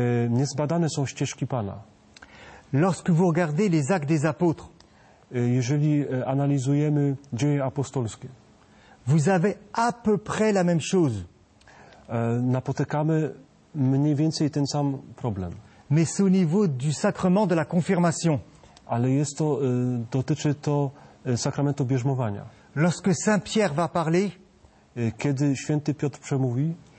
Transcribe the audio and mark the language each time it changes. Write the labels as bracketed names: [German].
[Polish] Niezbadane są ścieżki Pana. [French] Lorsque vous regardez les actes des apôtres, [Polish] jeżeli analizujemy dzieje apostolskie, [French] vous avez à peu près la même chose. [Polish] Napotykamy mniej więcej ten sam problem. [French] Mais c'est au niveau du sacrement de la confirmation. [Polish] Ale jest to, dotyczy to sakramentu bierzmowania. [French] Lorsque Saint Pierre va parler, [Polish] kiedy święty Piotr przemówi,